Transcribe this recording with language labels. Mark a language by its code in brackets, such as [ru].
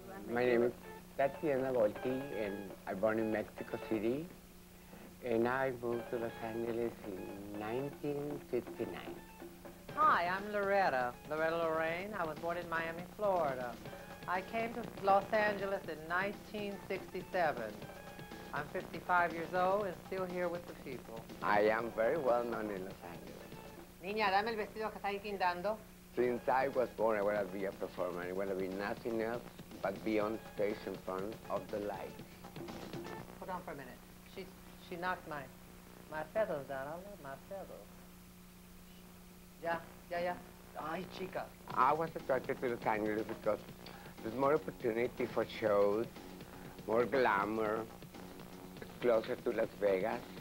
[en] My name is Tatiana Volti, and I born in Mexico City, and I moved to Los Angeles in 1959. Hi, I'm Loretta Lorraine. I was born in Miami, Florida. I came to Los Angeles in 1967. I'm 55 years old and still here with the people. I am very well known in Los Angeles. [es] Niña, dame el vestido que está ahí quindando. [en] Since I was born, I want to be a performer. I want to be nothing else but be on stage in front of the light. Hold on for a minute. She knocked my feathers down. I love my feathers. Yeah. [es] Ay, chica. [en] I was attracted to Los Angeles because there's more opportunity for shows, more glamour, closer to Las Vegas.